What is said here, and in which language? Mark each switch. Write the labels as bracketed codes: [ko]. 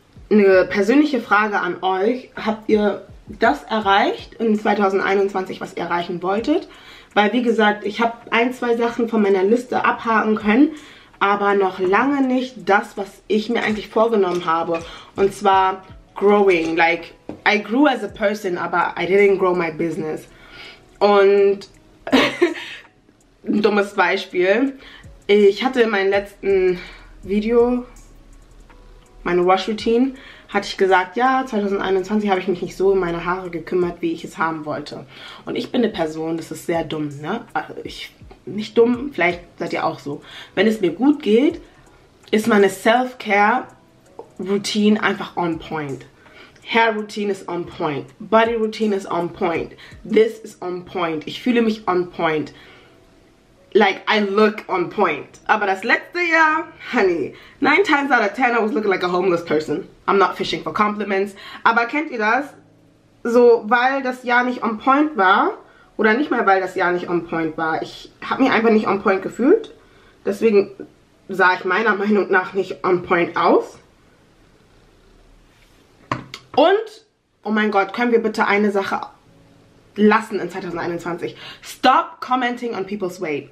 [de] Eine persönliche Frage an euch. Habt ihr das erreicht in 2021, was ihr erreichen wolltet? Weil wie gesagt, ich habe ein, zwei Sachen von meiner Liste abhaken können. Aber noch lange nicht das, was ich mir eigentlich vorgenommen habe. Und zwar [en] growing, like I grew as a person, aber I didn't grow my business. [de] Und ein dummes Beispiel. Ich hatte in meinem letzten Video, meine Wash Routine, hatte ich gesagt, ja, 2021 habe ich mich nicht so um meine Haare gekümmert, wie ich es haben wollte. Und ich bin eine Person, das ist sehr dumm, ne? Also ich, nicht dumm, vielleicht seid ihr auch so. Wenn es mir gut geht, ist meine Self-Care Routine einfach on point. Hair Routine ist on point. Body Routine ist on point. [en] This is on point. [de] Ich fühle mich [en] on point. Like, I look on point. [de] Aber das letzte Jahr, [en] honey, 9 times out of 10, I was looking like a homeless person. I'm not fishing for compliments. [de] Aber kennt ihr das? So, weil das Jahr nicht on point war, oder nicht mal, weil das Jahr nicht on point war, ich habe mich einfach nicht on point gefühlt. Deswegen sah ich meiner Meinung nach nicht on point aus. Und, oh mein Gott, können wir bitte eine Sache lassen in 2021? [en] Stop commenting on people's weight.